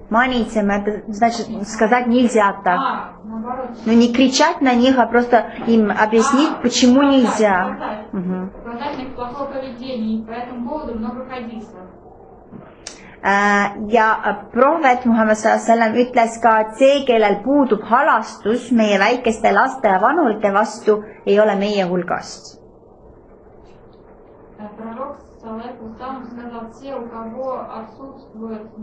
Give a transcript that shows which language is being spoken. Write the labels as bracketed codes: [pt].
[ru] Манитсям, это значит сказать нельзя так. Ну не кричать на них, а просто им объяснить, почему нельзя. Сказать на их плохое поведение, и по этому поводу много хадисов. [et] Ja prohvet Muhammed sellem ütles ka, et see, kellel puudub halastus meie väikeste laste ja vanulte vastu, ei ole meie hulgast. [ru] Пророк салем сказал, все, у кого отсутствует